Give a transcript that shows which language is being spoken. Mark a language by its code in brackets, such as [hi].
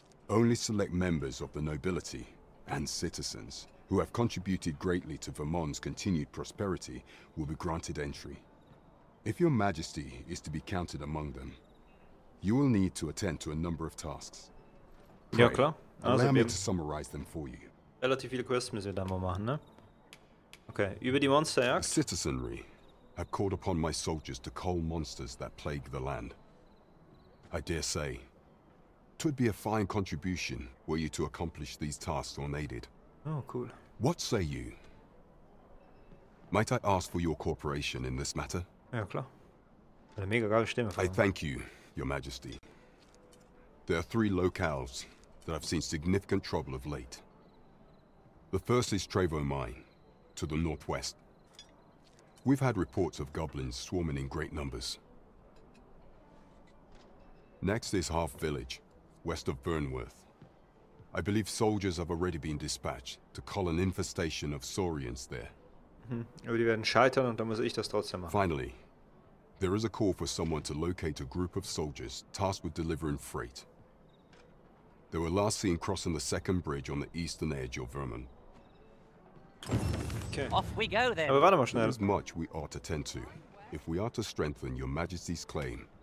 [en] Only select members of the nobility and citizens who have contributed greatly to Vermont's continued prosperity will be granted entry. If your majesty is to be counted among them, you will need to attend to a number of tasks. [de] Pray, ja, klar. [en] Also, allow me to summarize them for you. [de] Relativ viele Quests müssen wir da mal machen, ne? Okay, über die Monsterjagd. [en] Citizenry have called upon my soldiers to cull monsters that plague the land. I dare say, it would be a fine contribution were you to accomplish these tasks unaided. Oh, cool. What say you? Might I ask for your cooperation in this matter? [de] Ja, klar. Eine mega geile Stimme. [en] I thank you, your majesty. There are three locales that I've seen significant trouble of late. The first is Trevo Mine, to the northwest. We've had reports of goblins swarming in great numbers. Next is Half Village, west of Burnworth. I believe soldiers have already been dispatched to call an infestation of Saurians there. [de] Aber die werden scheitern und dann muss ich das trotzdem machen. [en] Finally, there is a call for someone to locate a group of soldiers tasked with delivering freight. They were last seen crossing the second bridge on the eastern edge of Vermin. Okay. Off we go then. [de] Aber warte mal schnell. [en] There is much we ought to attend to, if we are to strengthen your majesty's claim.